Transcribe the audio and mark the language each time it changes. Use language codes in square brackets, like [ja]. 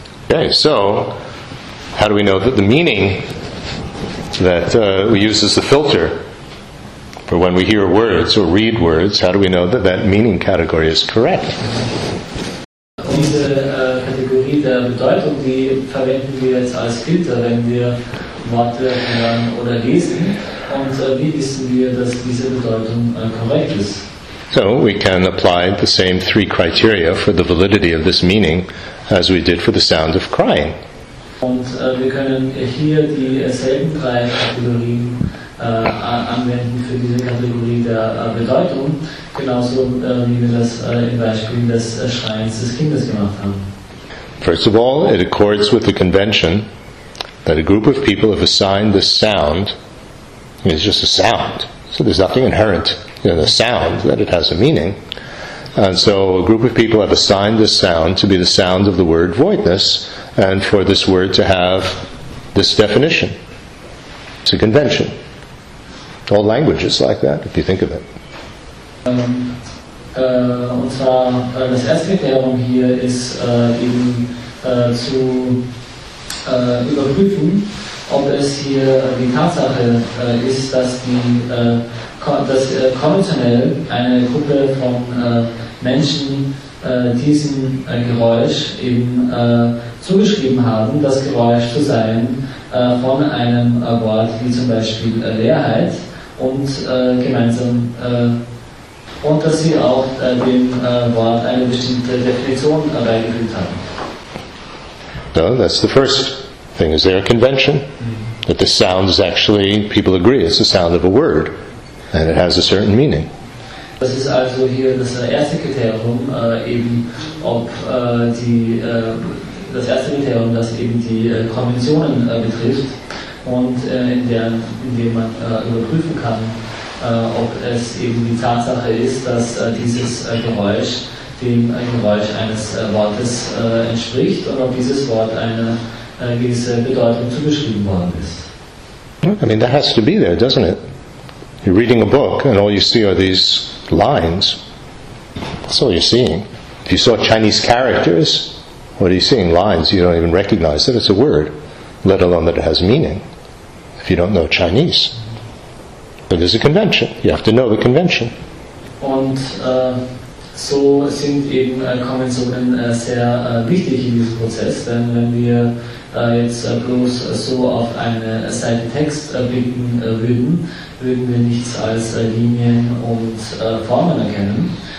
[en] Okay, so how do we know that the meaning that we use as the filter for when we hear words or read words, how do we know that that meaning category is correct? [de] Diese Kategorie der Bedeutung, die verwenden wir jetzt als Filter, wenn wir Worte hören oder lesen, und wie wissen wir, dass diese Bedeutung korrekt ist? [en] So we can apply the same three criteria for the validity of this meaning as we did for the sound of crying. [de] Und wir können hier dieselben drei Kategorien anwenden für diese Kategorie der Bedeutung, genauso wie wir das im Beispiel des Schreiens des Kindes gemacht haben. [en] First of all, it accords with the convention that a group of people have assigned this sound. I mean, it's just a sound, so there's nothing inherent in the sound that it has a meaning. And so a group of people have assigned this sound to be the sound of the word voidness, and for this word to have this definition. It's a convention. All languages like that, if you think of it. [de] Und zwar das erste Kriterium hier ist eben zu überprüfen, ob es hier die Tatsache ist, dass die dass konventionell eine Gruppe von Menschen diesem Geräusch eben zugeschrieben haben, das Geräusch zu sein von einem Wort wie zum Beispiel Leerheit und gemeinsam und dass sie auch dem Wort eine bestimmte Definition beigefügt haben. [en] So, that's the first thing. Is there a convention? That the sound is actually, people agree, it's the sound of a word. And it has a certain meaning. [de] Das ist also hier das erste Kriterium, eben ob die das erste Kriterium, das eben die Konventionen betrifft und in dem man überprüfen kann, ob es eben die Tatsache ist, dass dieses Geräusch dem Geräusch eines Wortes entspricht und ob dieses Wort eine gewisse Bedeutung zugeschrieben worden ist. [en] I mean, that has to be there, doesn't it? You're reading a book, and all you see are these lines. That's all you're seeing. If you saw Chinese characters, what are you seeing? Lines. You don't even recognize that it's a word, let alone that it has meaning, if you don't know Chinese. But there's a convention. You have to know the convention. [de] Und so sind eben Konventionen sehr wichtig in diesem Prozess, denn wenn wir jetzt bloß so auf eine Seite Text blicken würden wir nichts als Linien und Formen erkennen.